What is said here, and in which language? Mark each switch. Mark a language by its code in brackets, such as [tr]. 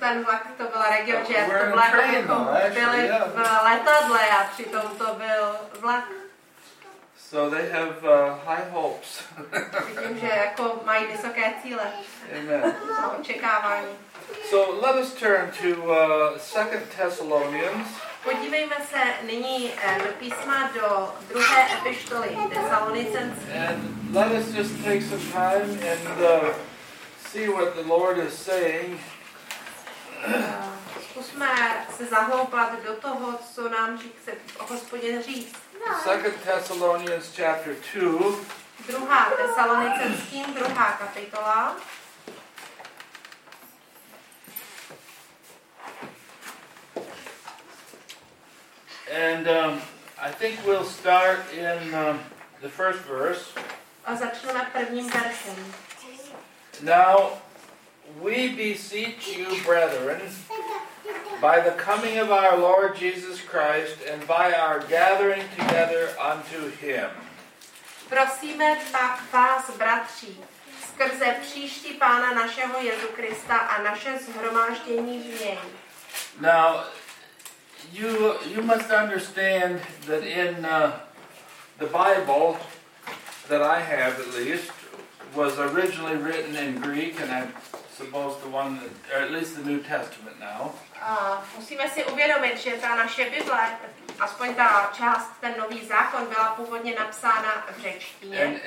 [en] We're in a train, actually. So they have high hopes. Amen. So let us turn to 2 Thessalonians. [cs] Podívejme se nyní do písma do druhé epištoly Tesalonicenským. [en] And let us just take some time and see what the Lord is saying. [cs] Zkusme se zahloupat do toho, co nám chce Hospodin říct. [en] 2 Thessalonians chapter 2. [cs] Druhá Tesalonicenským, druhá kapitola. [en] And I think we'll start in the first verse. [cs] A začneme prvním veršem. [en] Now, we beseech you, brethren, by the coming of our Lord Jesus Christ and by our gathering together unto him. [cs] Prosíme pak vás, bratři, skrze příští Pána našeho Jezu Krista a naše zhromáždění v něj. [en] Now, You must understand that in the Bible that I have, at least, was originally written in Greek, and I suppose the one, that, or at least the New Testament now. [cs] Musíme si uvědomit, že ta naše Bible, aspoň ta část, ten Nový zákon, byla původně napsána v řečtině.